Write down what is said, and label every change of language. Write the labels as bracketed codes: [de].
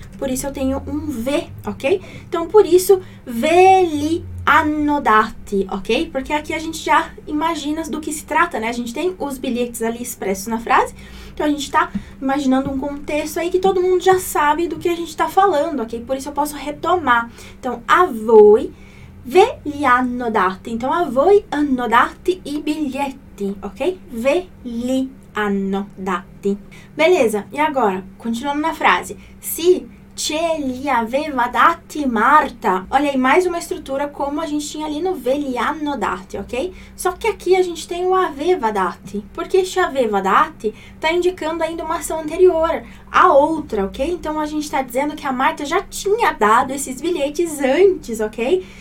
[pt] Por isso eu tenho um V, ok? Então, por isso, [it] ve li hanno dati, [pt] ok? Porque aqui a gente já imagina do que se trata, né? A gente tem os bilhetes ali expressos na frase. Então, a gente está imaginando um contexto aí que todo mundo já sabe do que a gente está falando, ok? Por isso eu posso retomar. Então, [it] a voi ve li hanno dati. [pt] Então, [it] a voi hanno dati i biglietti, ok? Ve li hanno dati. [pt] Beleza, e agora, continuando na frase. [it] Se ce li aveva dati Marta. [pt] Olha aí, mais uma estrutura como a gente tinha ali no [it] ve li hanno dati, [pt] ok? Só que aqui a gente tem o [it] aveva dati. [pt] Porque este aveva dati está indicando ainda uma ação anterior, a outra, ok? Então, a gente está dizendo que a Marta já tinha dado esses bilhetes antes, ok?